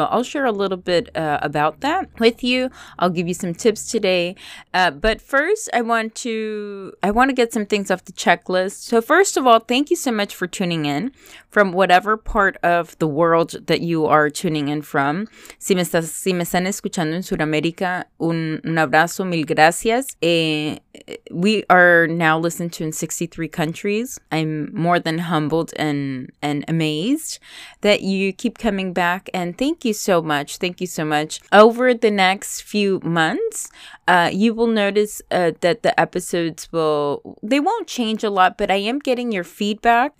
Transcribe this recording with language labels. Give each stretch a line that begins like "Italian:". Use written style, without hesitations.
English: So I'll share a little bit about that with you. I'll give you some tips today. But first, I want to get some things off the checklist. So first of all, thank you so much for tuning in from whatever part of the world that you are tuning in from.
Spanish: Si me están escuchando en Sudamérica, un abrazo, mil gracias.
English: We are now listened to in 63 countries. I'm more than humbled and amazed that you keep coming back. And thank you so much. Thank you so much. Over the next few months, you will notice that the episodes they won't change a lot, but I am getting your feedback.